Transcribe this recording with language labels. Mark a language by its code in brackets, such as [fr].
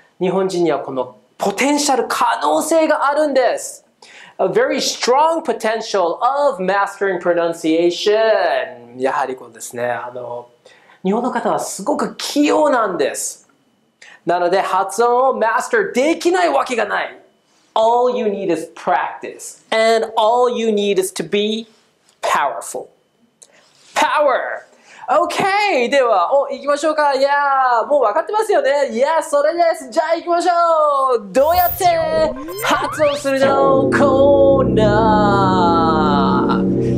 [ja] 日本人にはこのポテンシャル、可能性があるんです。 [en] A very strong potential of mastering pronunciation. [ja] やはりこうですね、日本の方はすごく器用なんです。なので発音をマスターできないわけがない。 [en] All you need is practice. And all you need is to be powerful. Power! Okay! [ja] では、行きましょうか。いやー、もう分かってますよね。いやー、それです。じゃあ行きましょう。どうやって発音するのコーナー。